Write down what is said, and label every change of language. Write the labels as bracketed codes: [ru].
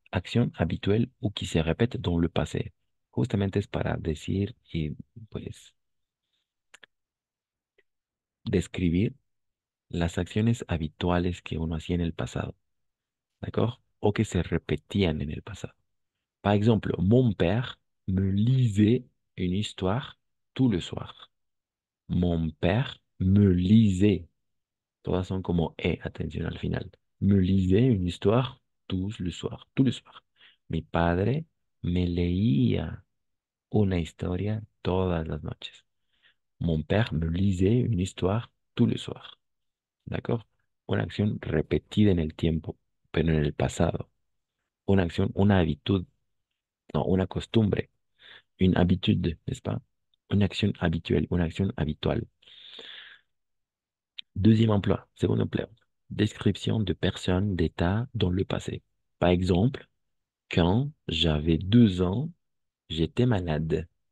[fr] Action habituelle ou qui se répète dans le passé. [es] Justamente es para decir y, pues, describir las acciones habituales que uno hacía en el pasado. ¿D'accord? O que se repetían en el pasado. [fr] Par exemple, mon père me lisait une histoire tout le soir. Mon père me lisait. [es] Todas son como e, atención al final. [fr] Me lisait une histoire tout le soir. Tout le soir. [es] Mi padre me leía una historia todas las noches. [fr] Mon père me lisait une histoire tout le soir. ¿D'accord? [es] Una acción repetida en el tiempo, pero en el pasado. Una acción, una habitud, no, una costumbre. [fr] Une habitude, n'est-ce pas? Une action habituelle, une action habituelle. Deuxième emploi, second emploi. Description de personnes, d'états dans le passé. Par exemple, quand j'avais 2 ans, j'étais malade.